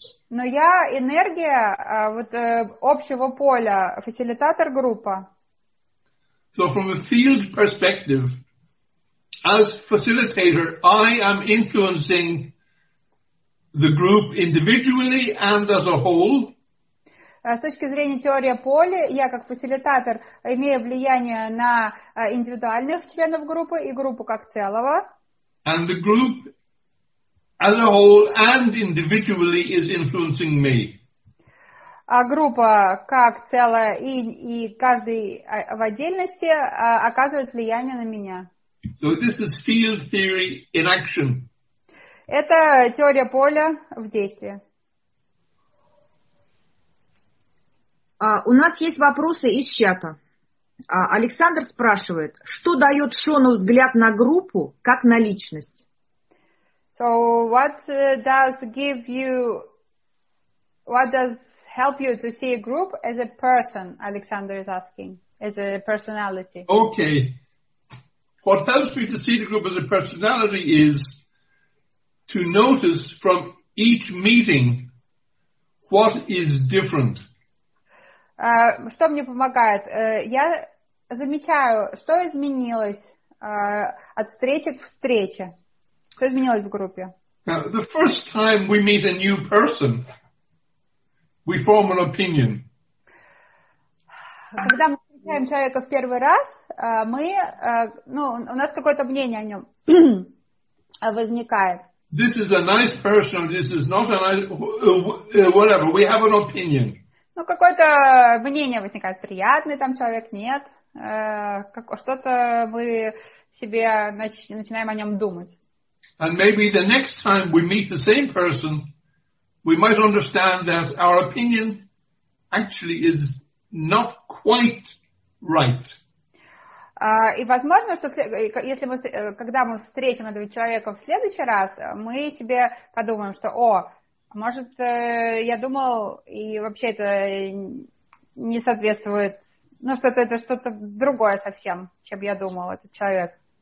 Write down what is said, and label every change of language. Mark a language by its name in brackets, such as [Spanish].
[Russian] Но я энергия вот общего поля, фасилитатор группа. [English] So from a field perspective, as facilitator, I am influencing the group individually and as a whole. [Russian] с точки зрения теории поля, я как фасилитатор имею влияние на индивидуальных членов группы и группу как целого. [English] And the group as a whole and individually is influencing me. [Russian] А группа как целая и каждый в отдельности оказывает влияние на меня. [English] So this is field theory in action. [Russian] Это теория поля в действии. У нас есть вопросы из чата. Александр спрашивает, что дает Шону взгляд на группу как на личность? [English] So what does give you, what does help you to see a group as a person, Alexander is asking, as a personality. Okay. What helps me to see the group as a personality is to notice from each meeting what is different. [Russian] Что мне помогает? Я замечаю, что изменилось от встречи к встрече. Что изменилось в группе? [English] Now, the first time we meet a new person, we form an opinion. [Russian] Когда мы встречаем человека в первый раз, мы, ну, у нас какое-то мнение о нем возникает. [English] This is a nice person, this is not a nice, whatever, we have an opinion. [Russian] Ну, какое-то мнение возникает, приятный там человек, нет, как, что-то мы себе начинаем о нем думать. [English] And maybe the next time we meet the same person, we might understand that our opinion actually is not quite right. [Russian] И возможно, что если мы, когда мы встретим этого человека в следующий раз, мы себе подумаем, что, о, может, я думал, и вообще это не соответствует, ну, что это что-то другое совсем, чем я думал, этот человек.